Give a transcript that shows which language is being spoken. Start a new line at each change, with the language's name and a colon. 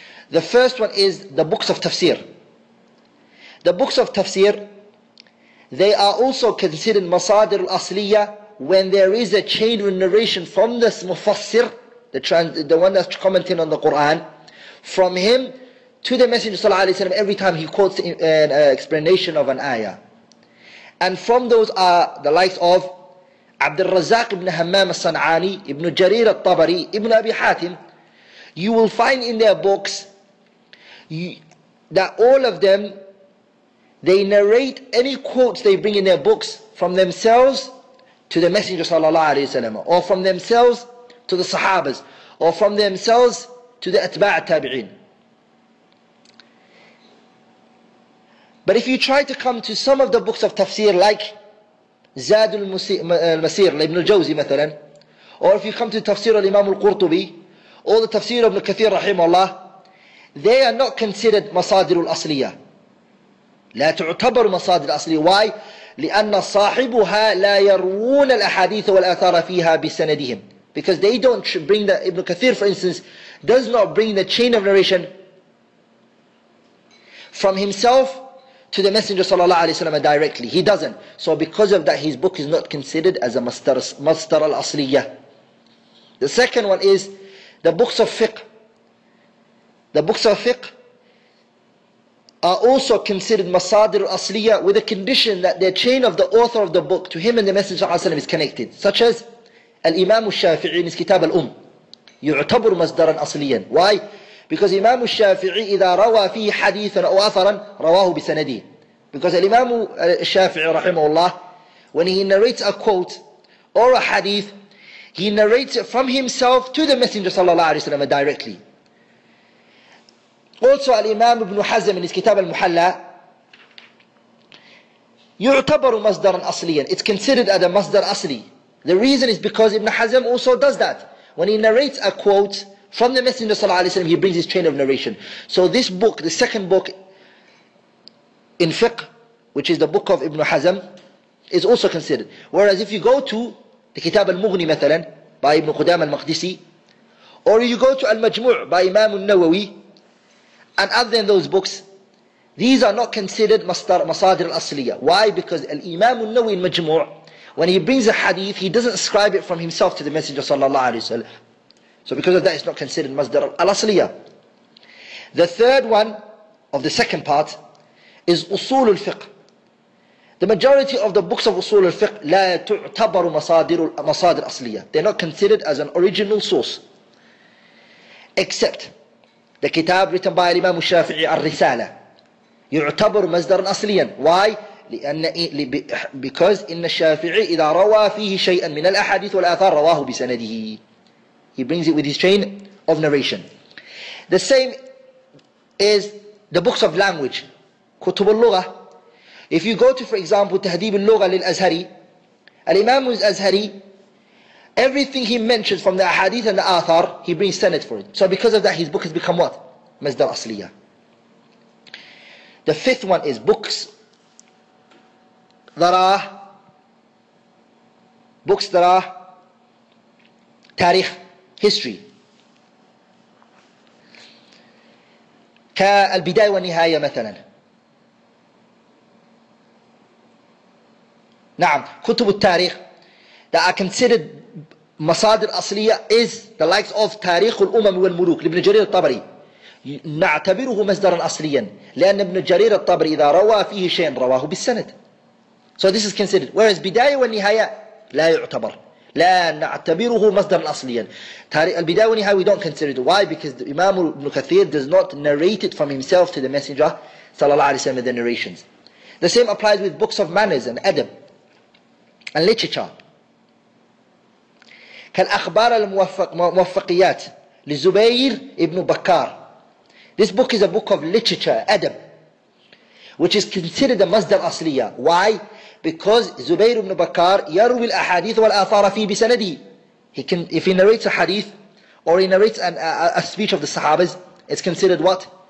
English: The first one is the books of tafsir. The books of tafsir, they are also considered masadir al-asliya when there is a chain of narration from this mufassir, the one that's commenting on the Quran, from him to the Messenger sallallahu alaihi wasallam, every time he quotes an explanation of an ayah. And from those are the likes of عبد الرزاق بن همام الصنعاني ابن جرير الطبري ابن أبي حاتم. You will find in their books that all of them, they narrate any quotes they bring in their books from themselves to the Messenger sallallahu alaihi wasallam, or from themselves to the Sahabas, or from themselves to the Atba' al-Tabi'in. But if you try to come to some of the books of tafsir like Zad al-Masir, Ibn al-Jawzi, مثلاً, or if you come to tafsir al-Imam al-Qurtubi, or the tafsir of Ibn Kathir, rahimahullah, they are not considered masadir al-asliya.
Arabic: لا تعتبر masadir al-asliya.
English: Why?
Arabic: لأن صاحبها لا يروون الأحاديث والآثار فيها بسندهم.
English: Because they don't bring the, Ibn Kathir, for instance, does not bring the chain of narration from himself to the Messenger sallallahu alayhi wa sallam directly. He doesn't. So because of that, his book is not considered as a masdar al-asliya. The second one is the books of fiqh. The books of fiqh are also considered masadir al-asliya with a condition that the chain of the author of the book to him and the Messenger sallallahu alayhi wa sallam is connected, such as
Arabic: الإمام الشافعي من كتاب الأم يعتبر مصدرا أصليا.
English: Why? Because
Arabic: إمام الشافعي إذا روى فيه حديثا أو أثرا رواه بسنده.
English: Because الإمام الشافعي رحمه الله when he narrates a quote or a hadith, he narrates it from himself to the Messenger صلى الله عليه وسلم directly. Also
Arabic: الإمام ابن حزم من كتاب المحلى يعتبر مصدرا أصليا.
English: It's considered as a مصدر أصلي. The reason is because Ibn Hazm also does that. When he narrates a quote from the Messenger صلى الله عليه وسلم, he brings his chain of narration. So this book, the second book in Fiqh, which is the book of Ibn Hazm, is also considered. Whereas if you go to the Kitab al-Mughni مثلا by Ibn Qudam al-Maqdisi, or you go to al-Majmu' by Imam al-Nawawi, and other than those books, these are not considered masadir al-asliya. Why? Because al-Imam al-Nawawi al-Majmu' when he brings a hadith, he doesn't ascribe it from himself to the Messenger sallallahu alayhi wa sallam. So because of that, it's not considered masdar al-asliya. The third one of the second part is usul al-fiqh. The majority of the books of usul al-fiqh
Arabic: لا تعتبر مصادر أصلية.
English: They're not considered as an original source. Except the kitab written by Imam al-Shafi'i al-Risala.
Arabic: يعتبر مصدر أصليا.
English: Why?
Arabic: لأن
English: because
Arabic: إن الشافعي إذا روى فيه شيئا من الأحاديث والآثار رواه بسنده.
English: He brings it with his chain of narration. The same is the books of language.
Arabic: كتب اللغة.
English: If you go to, for example, تهذيب اللغة للأزهري, الإمام الأزهري, everything he mentions from the أحاديث and the آثار, he brings سند for it. So because of that, his book has become what?
Arabic: مصدر أصلية.
English: The fifth one is books. books that are tarikh, history.
Arabic: كالبداية والنهاية مثلا. نعم كتب التاريخ
English: that are considered
Arabic: مصادر أصلية
English: is the likes of
Arabic: تاريخ الأمم والملوك لابن جرير الطبري. نعتبره مصدرا أصليا لأن ابن جرير الطبري إذا روى فيه شيء رواه بالسند.
English: So this is considered. Whereas
Arabic: بداية والنهاية لا يعتبر. لا نعتبره مصدرا أصليا. البداية والنهاية
English: we don't consider it. Why? Because the Imam Ibn Kathir does not narrate it from himself to the Messenger صلى الله عليه وسلم the narrations. The same applies with books of manners and adab and literature.
Arabic: كالأخبار الموفقيات لزبير ابن بكار.
English: This book is a book of literature, adab, which is considered a
Arabic: مصدر أصليا.
English: Why? Because
Arabic: زبير بن بكار يروي الأحاديث والآثار فيه بسنده.
English: He can, if he narrates a hadith or he narrates a speech of the Sahabas, it's considered what?